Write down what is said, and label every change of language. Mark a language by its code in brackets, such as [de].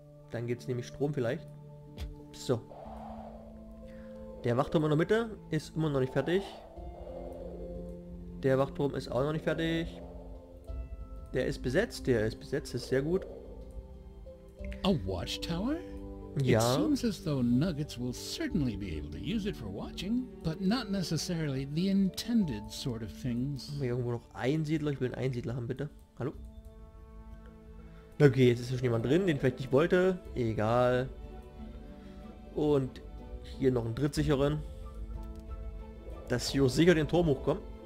[de] Dann geht es nämlich Strom vielleicht. So. Der Wachturm in der Mitte ist immer noch nicht fertig. Der Wachturm ist auch noch nicht fertig. Der ist besetzt, das ist sehr gut. [en] A watchtower? [de] Ja. [en] It seems as though Nuggets will certainly be able to use it for watching, but not necessarily the intended sort of things. [de] Haben wir irgendwo noch Einsiedler? Ich will einen Einsiedler haben, bitte. Hallo? Okay, jetzt ist schon jemand drin, den vielleicht nicht wollte. Egal. Und hier noch ein Drittsicherer. Dass hier sicher den Turm hochkommen.